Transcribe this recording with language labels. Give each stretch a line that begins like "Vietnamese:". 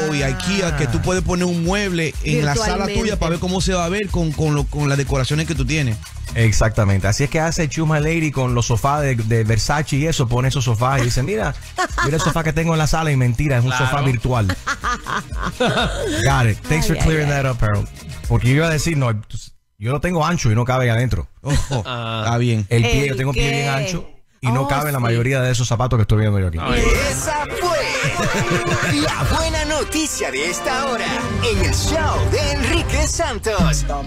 Spanish: Y IKEA, que tú puedes poner un mueble en la sala tuya para ver cómo se va a ver con las decoraciones que tú tienes. Exactamente, así es que hace Chuma Lady con los sofás de Versace y eso, pone esos sofás y dice, mira el sofá que tengo en la sala, y mentira, es un sofá virtual.
English: Got it, thanks for clearing that up, Harold.
Spanish: Porque yo iba a decir, no, yo lo tengo ancho y no cabe adentro. Está bien. El pie, yo tengo pie bien ancho. Y no cabe la mayoría de esos zapatos que estoy viendo yo aquí. Y esa fue la buena noticia de esta hora en el show de Enrique Santos.